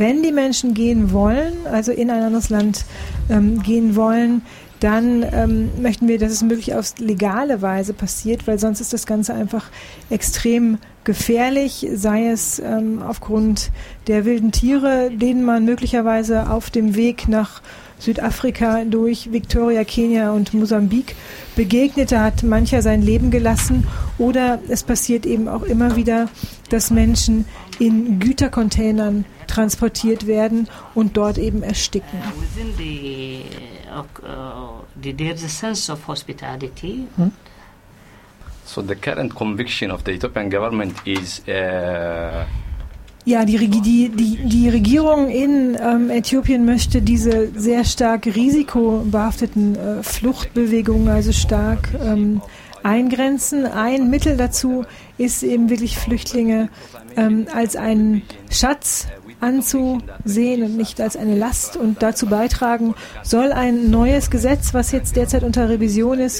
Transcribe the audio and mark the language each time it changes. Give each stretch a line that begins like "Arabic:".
German: Wenn die Menschen gehen wollen, also in ein anderes Land gehen wollen, dann möchten wir, dass es möglichst auf legale Weise passiert, weil sonst ist das Ganze einfach extrem gefährlich, sei es aufgrund der wilden Tiere, denen man möglicherweise auf dem Weg nach Südafrika durch Victoria, Kenia und Mosambik begegnet. Da hat mancher sein Leben gelassen. Oder es passiert eben auch immer wieder, dass Menschen in Gütercontainern transportiert werden und dort eben ersticken.
English: There's a sense of hospitality. So the current conviction of the Ethiopian government is
German: ja, die Regierung in Äthiopien möchte diese sehr stark risikobehafteten Fluchtbewegungen also stark eingrenzen. Ein Mittel dazu ist eben wirklich Flüchtlinge als einen Schatz anzusehen und nicht als eine Last, und dazu beitragen soll ein neues Gesetz, was jetzt derzeit unter Revision ist.